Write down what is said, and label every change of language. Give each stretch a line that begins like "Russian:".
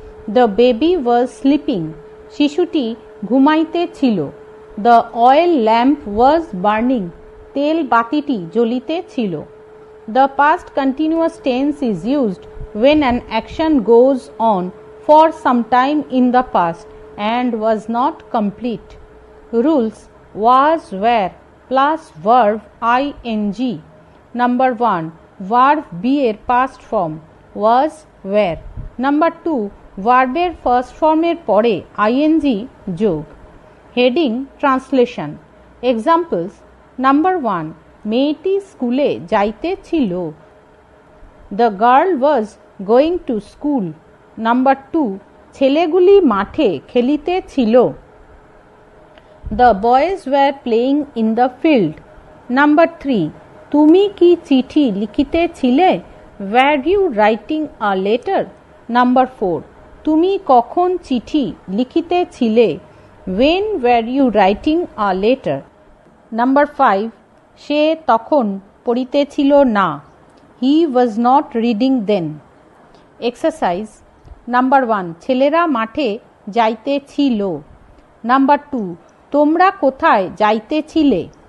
English: the baby was sleeping
Bangla: শিশুটি ঘুমাইতেছিল।
English: the oil lamp was burning
Bangla: তেল বাতিটি জ্বলিতেছিল।
English: The past continuous tense is used when an action goes on for some time in the past and was not complete. Rules, was, were plus verb ing. Number 1, verb be er past form, was, were. Number 2, verb er first form
Bangla: er pore ing jog.
English: Heading, translation. Examples, number 1,
Bangla: meti school e jaite chilo.
English: The girl was going to school.
Bangla: Number 2, ছেলেগুলি মাঠে খেলিতে ছিল।
English: The boys were playing in the field.
Bangla: Number 3, তুমি কি চিঠি লিখিতে ছিলে?
English: Were you writing a letter?
Bangla: Number 4, তুমি কখন চিঠি লিখিতে ছিলে?
English: When were you writing a letter?
Bangla: Number 5, সে তখন পড়িতে ছিল না।
English: He was not reading then. Exercise.
Bangla: Number 1, ছেলেরা মাঠে যাইতেছিল। নাম্বার 2, তোমরা কোথায় যাইতেছিলে?